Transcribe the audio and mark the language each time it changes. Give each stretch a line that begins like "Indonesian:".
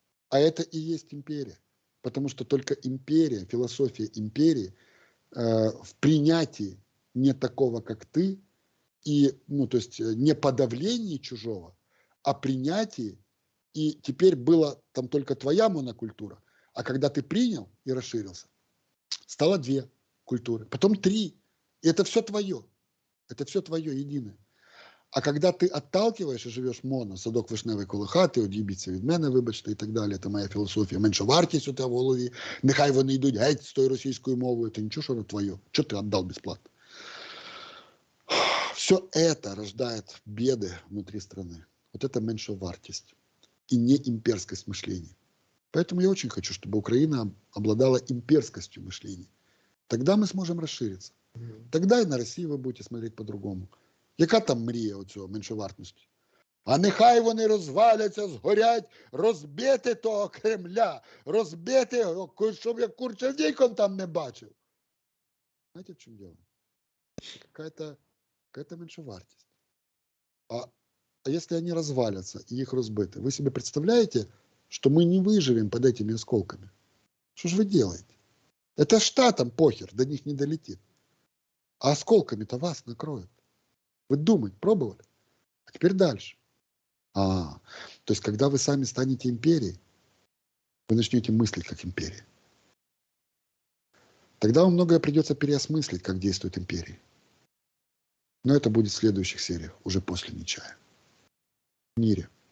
Russian: А это и есть империя. Потому что только империя, философия империи в принятии не такого, как ты, и, ну, то есть не подавлении чужого, а принятии. И теперь была там только твоя монокультура. А когда ты принял и расширился, стало две культуры, потом три. И это все твое. Это все твое единое. А когда ты отталкиваешь и живешь моно, садок вишневый колыхатый,
Ukrainian: одъебиться від мене, вибачте,
Russian: и так далее, это моя философия,
Ukrainian: меньше вартість у тебя в голові, нехай вони йдуть геть з тою російською мовою, ти нічого, що воно твоє, що ти віддав безплатно.
Russian: Все это рождает беды внутри страны. Вот это меньше вартість и не имперскость мышления. Поэтому я очень хочу, чтобы Украина обладала имперскостью мышления. Тогда мы сможем расшириться. Тогда и на Россию вы будете смотреть по-другому.
Ukrainian: Яка там мрія у цього меншовартності? А нехай вони розваляться, згорять, розбити того Кремля, розбити, щоб я курча вікон там не бачив. Знаєте, в чому діло? Яка-то меншовартість. А якщо вони розваляться і їх розбити, ви собі представляєте, що ми не виживемо під цими осколками? Що ж ви робите? Це штатам похер, до них не долетить.
Russian: А осколками-то вас накроють. Вы думать пробовали? А теперь дальше. То есть, когда вы сами станете империей, вы начнете мыслить как империя. Тогда вам многое придется переосмыслить, как действует империя. Но это будет в следующих сериях, уже после Нечая. В мире.